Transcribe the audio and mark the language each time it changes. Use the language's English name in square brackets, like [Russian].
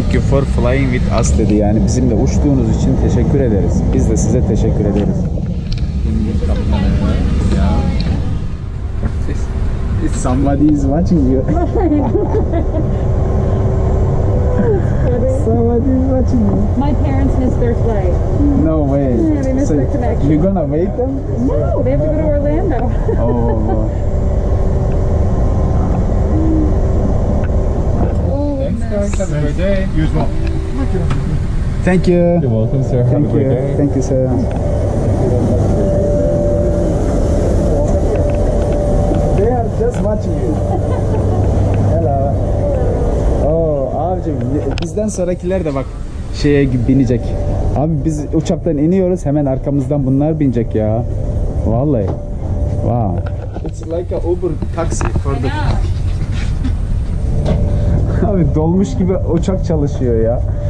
[English] For flying with us [Turkish] dedi, yani bizimle uçtuğunuz için teşekkür ederiz. Biz de size teşekkür ederiz. [English] Somebody is watching you. Somebody is watching you. My parents missed their flight. No way. They missed so their connection. You're gonna wait them? No, they have to go to Orlando. Oh. Thanks, guys. Have a great day. You as well. Thank you. You're welcome, sir. Thank you. Have a great day. Thank you, sir. Nice watching you. Hello. [Turkish] Oh, abicim bizden sonrakiler de bak şeye binecek. Abi biz uçaktan iniyoruz, hemen arkamızdan bunlar binecek ya. Vallahi. Wow. [English] It's like a Uber taxi for the... [Turkish] Abi dolmuş gibi uçak çalışıyor ya.